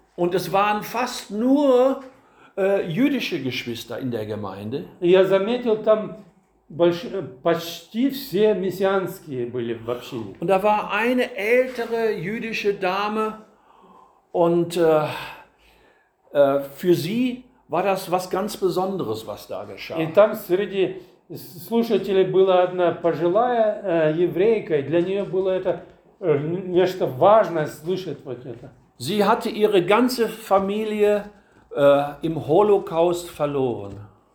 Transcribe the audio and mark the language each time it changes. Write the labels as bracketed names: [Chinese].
[German] Und es waren fast nur jüdische Geschwister in der Gemeinde. [Russian] Я заметил, там почти все мессианские были в общине. [German] Und da war eine ältere jüdische Dame und für sie war das was ganz Besonderes, was da geschah. [Russian] И там среди слушателей была одна пожилая еврейка, и для нее было это нечто важное слышать вот это. [German] Sie hatte ihre ganze Familie im Holocaust verloren.